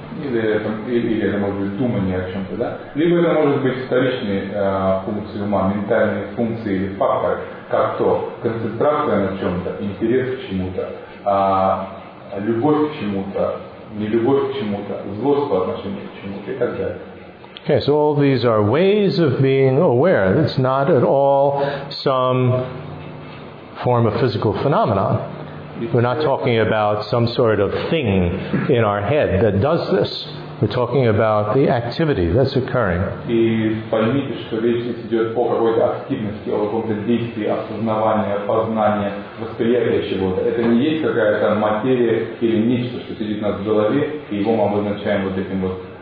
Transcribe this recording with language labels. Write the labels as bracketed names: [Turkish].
[Russian] Или это может быть думание о чем-то, да? Либо это может быть вторичные функции ума, ментальные функции или факторы, как то концентрация на чем-то, интерес к чему-то, любовь к чему-то, нелюбовь к чему-то, злость по отношению к чему-то и так далее. [English] Okay, so all these are ways of being aware. It's not at all some form of physical phenomenon. We're not talking about some sort of thing in our head that does this. We're talking about the activity that's occurring. [Russian] И поймите, что речь идет о какой-то активности, о каком-то действии, осознавания, познания, восприятия чего-то. Это не есть какая-то материя или нечто, что сидит у нас в голове, и его мы обозначаем вот этим вот.